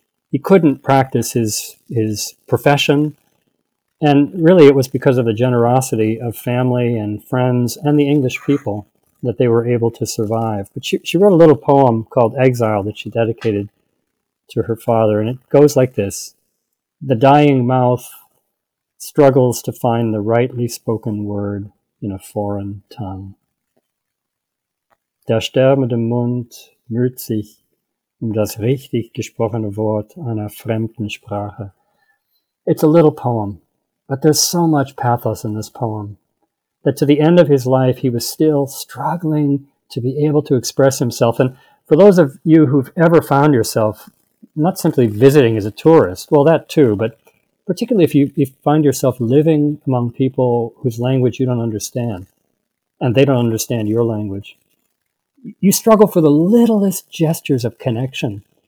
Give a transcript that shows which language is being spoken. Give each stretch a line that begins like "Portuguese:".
English: He couldn't practice his profession. And really, it was because of the generosity of family and friends and the English people that they were able to survive. But she wrote a little poem called Exile that she dedicated to her father. And it goes like this. The dying mouth struggles to find the rightly spoken word in a foreign tongue.
German: Der sterbende Mund müht sich das richtig gesprochene Wort einer fremden Sprache.
English: It's a little poem, but there's so much pathos in this poem that to the end of his life, he was still struggling to be able to express himself. And for those of you who've ever found yourself not simply visiting as a tourist, well, that too, but particularly if you find yourself living among people whose language you don't understand, and they don't understand your language, you struggle for the littlest gestures of connection.